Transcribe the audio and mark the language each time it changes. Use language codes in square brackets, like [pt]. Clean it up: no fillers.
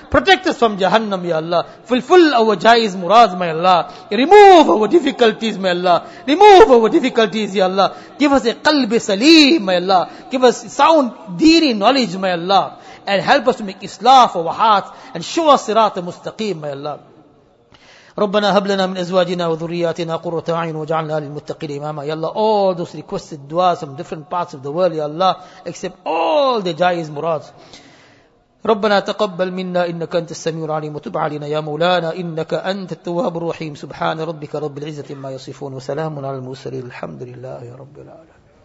[en] Protect us from jahannam, Ya Allah. Fulfill our jaiz muraz, my Allah. Remove our difficulties, my Allah. Remove our difficulties. Ya Allah, give us a qalb salim, my Allah. Give us sound deeni knowledge, my Allah, and help us to make islah for our hearts and show us sirat mustaqim, my Allah. [ar] ربنا هب لنا من ازواجنا وذرياتنا قرة اعين واجعلنا للمتقين اماما. [en] Ya Allah, all those requested duas from different parts of the world, Ya Allah, accept all the jaiz murads. [ar] ربنا تقبل منا انك انت السميع العليم وتب علينا يا مولانا انك انت التواب الرحيم سبحان ربك رب العزه عما يصفون وسلام على المرسلين الحمد لله يا رب العالمين.